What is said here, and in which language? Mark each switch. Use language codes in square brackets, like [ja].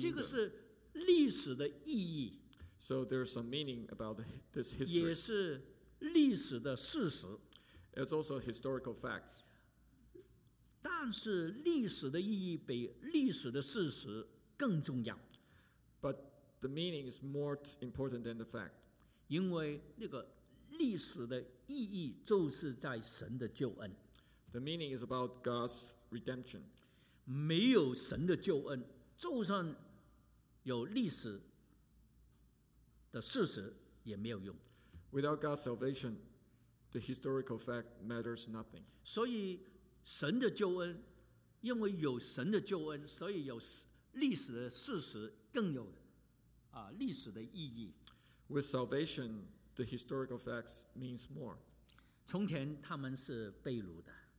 [zh] 这个是历史的意义。 [en] So there's some meaning about this history. [zh] 也是历史的事实。 [en] It's also historical facts. [zh] 但是历史的意义比历史的事实更重要。 [en] But the meaning is more important than the fact. [zh] 因为那个历史的意义就是在神的救恩。 [en] The meaning is about God's redemption. [zh] 没有神的救恩，就算有历史的事实也没有用。 [en] Without God's salvation, the historical fact matters nothing. [zh] 所以神的救恩，因为有神的救恩，所以有历史的事实更有历史的意义。 [en] With salvation, the historical facts means more. [zh] 从前他们是被掳的。